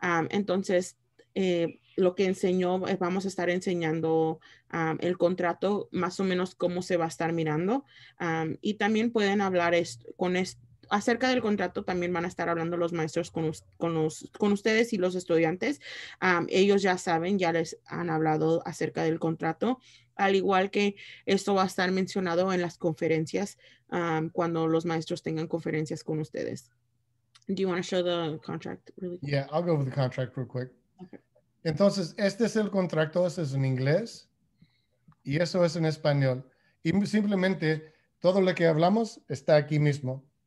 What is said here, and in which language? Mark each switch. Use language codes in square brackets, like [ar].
[es] Entonces lo que enseñó, vamos a estar enseñando el contrato más o menos cómo se va a estar mirando y también pueden hablar acerca del contrato también van a estar hablando los maestros con ustedes y los estudiantes. Ellos ya saben, ya les han hablado acerca del contrato, al igual que esto va a estar mencionado en las conferencias cuando los maestros tengan conferencias con ustedes. [en] Do you want to show the contract really quick? Yeah, I'll go over the contract real quick. Okay. [es] Entonces, este es el contrato, este es en inglés y eso es en español. Y simplemente todo lo que hablamos está aquí mismo.